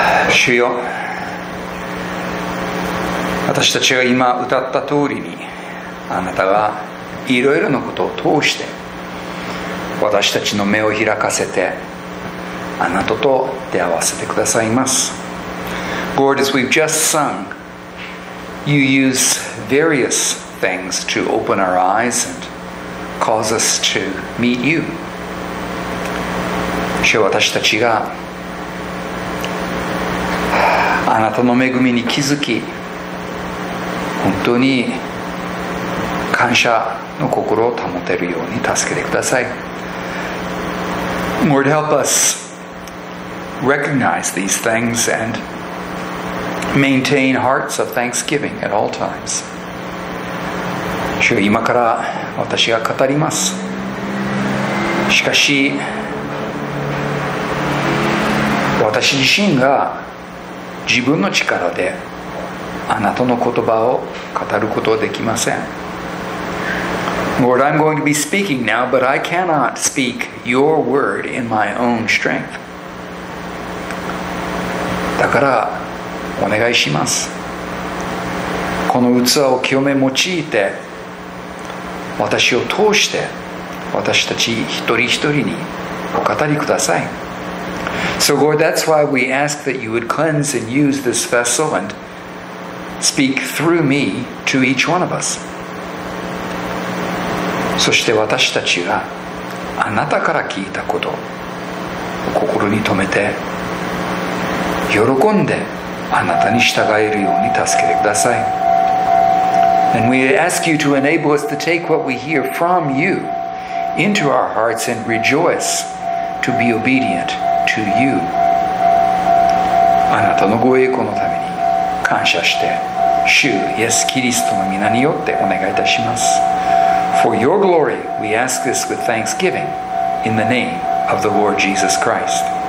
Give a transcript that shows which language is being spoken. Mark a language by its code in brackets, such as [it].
[ja] 主よ、私たちが今歌った通りに、あなたがいろいろなことを通して私たちの目を開かせて、あなたと出会わせてくださいます。 [en] Lord, as we've just sung, you use various things to open our eyes and cause us to meet you. [ja] 主よ、私たちがあなたの恵みに気づき、本当に感謝の心を保てるように助けてください。 [en] Lord, help us recognize these things and maintain hearts of thanksgiving at all times. [ja] 主よ、今から私が語ります。しかし、私自身が自分の力であなたの言葉を語ることはできません。 [en] Lord, I'm going to be speaking now, but I cannot speak your word in my own strength. [ja] だからお願いします。この器を清め用いて、私を通して私たち一人一人にお語りください。 [en] So Lord, that's why we ask that you would cleanse and use this vessel and speak through me to each one of us. [ja] そして私たちがあなたから聞いたことを心に留めて、喜んであなたに従えるように助けてください。 [en] And we ask you to enable us to take what we hear from you into our hearts and rejoice to be obedient to you. [ja] あなたのご栄光のために感謝して、主イエスキリストの御名によってお願いいたします。 [en] For your glory, we ask this with thanksgiving in the name of the Lord Jesus Christ.